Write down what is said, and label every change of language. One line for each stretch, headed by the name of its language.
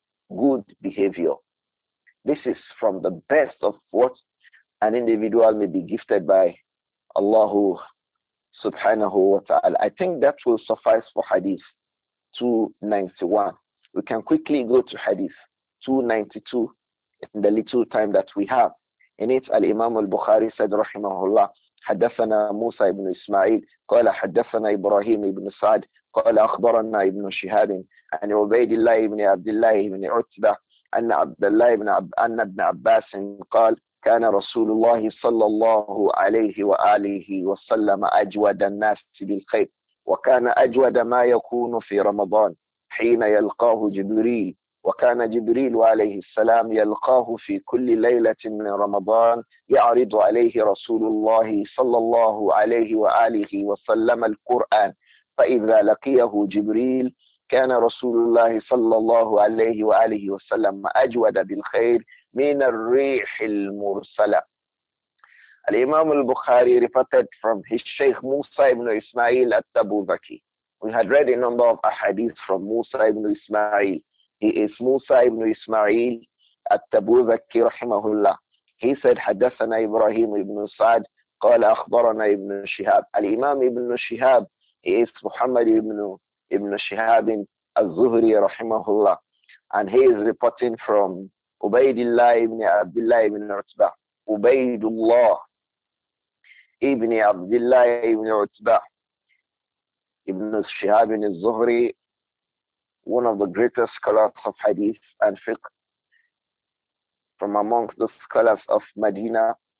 English: Good behavior. This is from the best of what an individual may be gifted by Allah subhanahu wa ta'ala. I think that will suffice for hadith 291. We can quickly go to hadith 292 in the little time that we have. In it,
Arabic: Al-Imam al-Bukhari said, rahimahullah, haddathana Musa ibn Ismail, qala haddathana Ibrahim ibn Sa'd, قال أخبرنا ابن شهاب عن عبيد الله بن عبد الله بن عتبة أن عبد الله بن أن ابن عباس قال كان رسول الله صلى الله عليه وآله وسلم أجود الناس بالخير وكان أجود ما يكون في رمضان حين يلقاه جبريل وكان جبريل عليه السلام يلقاه في كل ليلة من رمضان يعرض عليه رسول الله صلى الله عليه وآله وسلم القرآن فإذا لقيه جبريل كان رسول الله صلى الله عليه وآله وسلم أجود بالخير من الريح المرسلة. الإمام البخاري
English: reported from his Sheikh Musa ibn Ismail al-Tabuzaki. We had read a number of ahadith from Musa ibn Ismail. He is Musa ibn Ismail al-Tabuzaki
Arabic: رحمه الله.
English: He said
Arabic: حدثنا إبراهيم ابن سعد قال أخبرنا ابن شهاب.
English: الإمام ابن شهاب, he is Muhammad ibn Shihab al-Zuhri rahimahullah, and he is reporting from Ubaidullah ibn Abdullah ibn Utbah. Ubaidullah ibn Abdullah ibn Utbah ibn Shihab al-Zuhri, one of the greatest scholars of hadith and fiqh from amongst the scholars of Medina.